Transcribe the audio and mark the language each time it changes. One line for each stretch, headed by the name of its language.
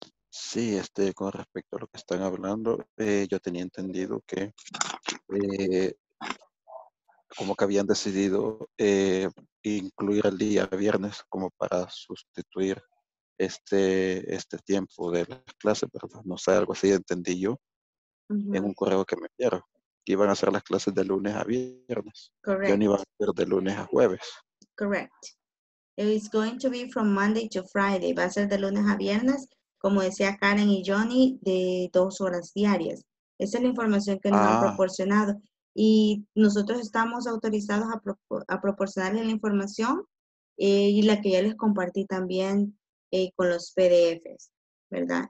Spanish: Sí, con respecto a lo que están hablando, yo tenía entendido que como que habían decidido incluir el día viernes como para sustituir este tiempo de clase, ¿verdad? No sé, algo así entendí yo uh-huh. en un correo que me enviaron, que iban a hacer las clases de lunes a viernes.
English: Correct.
Spanish: Yo no iba a hacer de lunes a jueves.
English: Correct. It's going to be from Monday to Friday.
Spanish: Va a ser de lunes a viernes. Como decía Karen y Johnny, de 2 horas diarias. Esa es la información que nos han proporcionado. Y nosotros estamos autorizados a proporcionarles la información y la que ya les compartí también con los PDFs, ¿verdad?